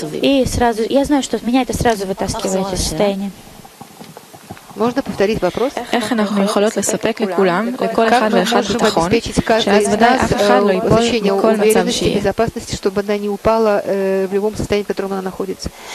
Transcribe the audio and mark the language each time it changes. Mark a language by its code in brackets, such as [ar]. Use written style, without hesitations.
[ru] И сразу, я знаю, что меня это сразу вытаскивает из состояния. Можно повторить вопрос? [he] איך אנחנו יכולות לספק לכולם, לכל אחד ואחד ביטחון, שאז ודאי אף אחד לא ייפול מכל מצב שיהיה? [ru] безопасности, чтобы она не упала в любом состоянии, в котором она находится.